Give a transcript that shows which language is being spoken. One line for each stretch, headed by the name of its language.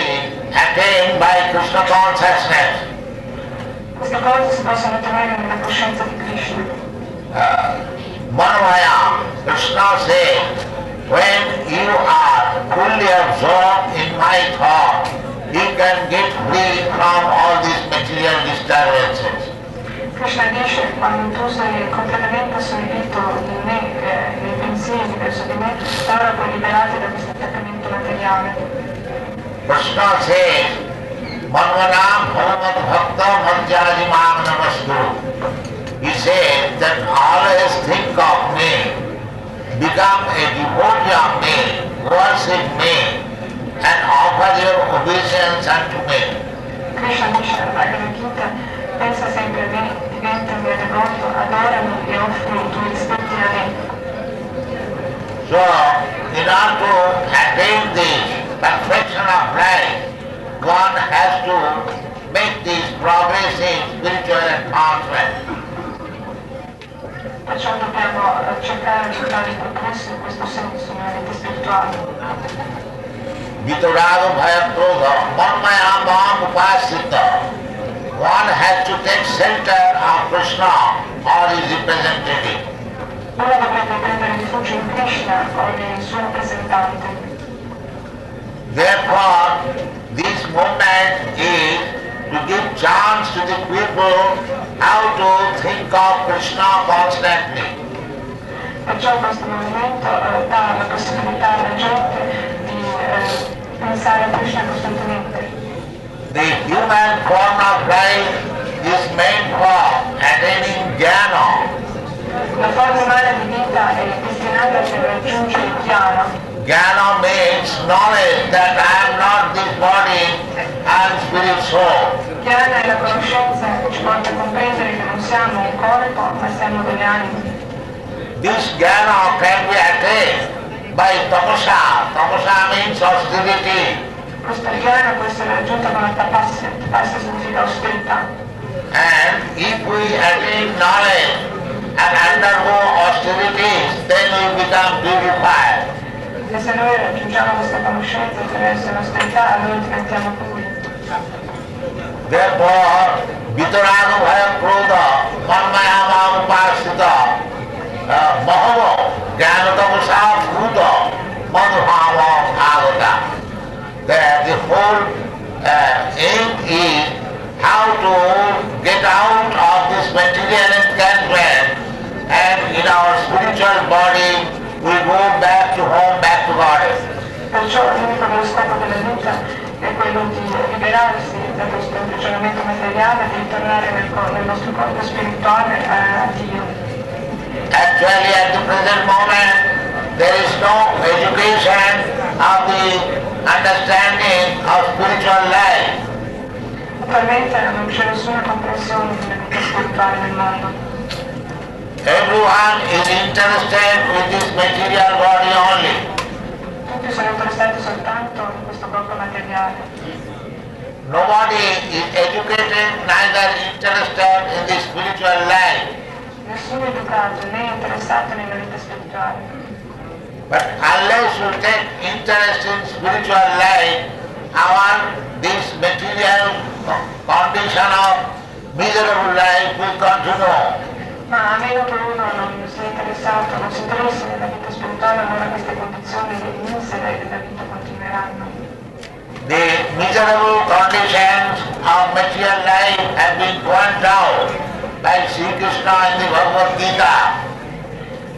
English: These things can be attained by Krishna consciousness.
Italian: Queste cose si possono ottenere nella coscienza di Krishna.
English: Manavaya, Krishna said, when you are fully absorbed in my thought, you can get free from all these material disturbances.
Italian: Krishna dice, quando tu sei completamente assorbito in me, nei pensieri verso di me, allora puoi liberarti da questo attaccamento materiale. Krishna dice,
Sanskrit: Manvanam Bhagavad Bhakta Vajjajimam Namastu.
English: He said that always think of me, become a devotee of me, worship me, and offer your obeisance unto me.
Italian: Krishna dice, Bhagavad Gita, pensa sempre a me, diventa mio devoto, adorami e offri i tuoi rispetti a me.
English: So, in order to attain this perfection of life, one has to make this progress in spiritual advancement.
Italian: Perciò dobbiamo cercare di fare il progresso in questo senso, nella vita spirituale.
Sanskrit: Vitorado Bhaya Prodha, Manmaya Bham Upasita.
English: One has to take shelter of Krishna or his representative.
Italian: Uno dovrebbe prendere rifugio in Krishna o nel suo rappresentante.
English: Therefore, this moment is to give chance to the people how to think of Krishna constantly.
Italian: Perciò questo movimento dà la possibilità alla gente di pensare a Krishna costantemente.
English: The human form of life is meant for attaining jnana.
Italian: La forma umana di vita è destinata per raggiungere jnana.
English: Jnana means knowledge that I am not this body, I am spirit soul.
Italian: Jnana è la conoscenza che ci porta a comprendere che non siamo un corpo, ma siamo delle anime.
English: This jnana can be attained by tapasya. Tapasya means austerity.
Italian: Questo jnana può essere raggiunto con la tapasya. Tapasya significa austerità.
English: And if we attain knowledge and undergo austerities, then we become purified.
Italian: E se noi raggiungiamo questa conoscenza attraverso l'austerità, allora diventiamo puri.
English: Therefore,
Sanskrit: Vitarana Bhaya Krodha, Manmaya Bhava Upasita, Bhava, Jnana Tapasya Bhuta, Madhava Bhavata.
English: The whole aim is how to get out of this material encampment and in our spiritual body we go back to home, back to God.
Italian: Perciò l'unico dello scopo della vita è quello di liberarsi da questo imprigionamento materiale, di tornare nel nostro corpo spirituale a Dio.
English: Actually at the present moment there is no education of the understanding of spiritual life.
Italian: Attualmente non c'è nessuna comprensione della vita spirituale nel mondo.
English: Everyone is interested with this material body only.
Italian: Tutti sono interessati soltanto in questo corpo materiale.
English: Nobody is educated, neither interested in the spiritual life.
Italian: Nessuno è educato né interessato nella vita spirituale.
English: But unless you take interest in spiritual life, our this material condition of miserable life will continue.
Italian: Ma a meno che uno non sia interessato, non si interessi nella vita spirituale, allora queste condizioni misere della vita continueranno.
English: The miserable conditions of material life have been pointed out by Sri Krishna in the Bhagavad Gita.